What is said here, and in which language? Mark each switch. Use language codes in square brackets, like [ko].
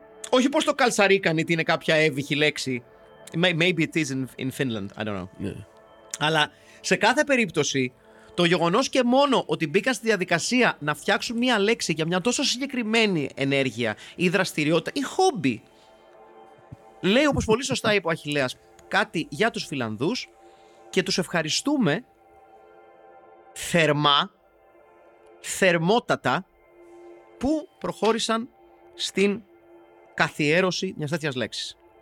[el] Όχι πως το Kalsarikanit είναι κάποια εύυχη λέξη. [en] Maybe it is in Finland, I don't know. Yeah. [el] Αλλά σε κάθε περίπτωση, το γεγονός και μόνο ότι μπήκαν στη διαδικασία να φτιάξουν μία λέξη για μια τόσο συγκεκριμένη ενέργεια ή δραστηριότητα ή χόμπι, λέει, όπως πολύ σωστά είπε ο Αχιλλέας, κάτι για τους Φιλανδούς και τους ευχαριστούμε θερμά, θερμότατα, που προχώρησαν στην καθιέρωση μιας τέτοιας λέξης.